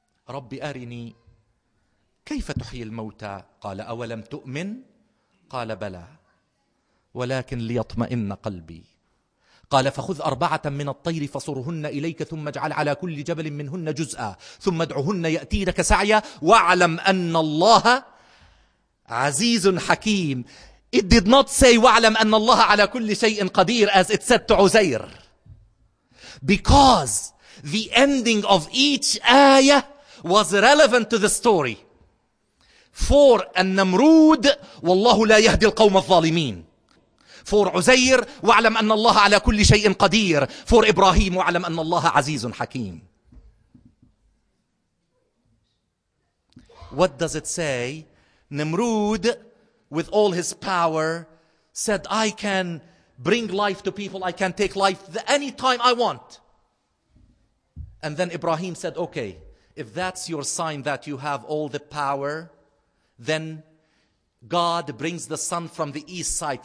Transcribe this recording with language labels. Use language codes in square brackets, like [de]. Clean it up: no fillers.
[ar] ربي أرني كيف تحيي الموتى قال أولم تؤمن قال بلى ولكن ليطمئن قلبي قال فخذ 4 من الطير فصرهن إليك ثم اجعل على كل جبل منهن جزءا ثم ادعهن يأتينك سعيا واعلم أن الله عزيز حكيم. [en] It did not say [ar] واعلم أن الله على كل شيء قدير [en] as it said to عزير. Because the ending of each ayah was relevant to the story. [ar] For النمرود والله لا يهدي القوم الظالمين. For عزير واعلم أن الله على كل شيء قدير. For إبراهيم واعلم أن الله عزيز حكيم. [en] What does it say? Nimrud, with all his power, said, I can bring life to people. I can take life anytime I want. And then Ibrahim said, okay, if that's your sign that you have all the power, then God brings the sun from the east side.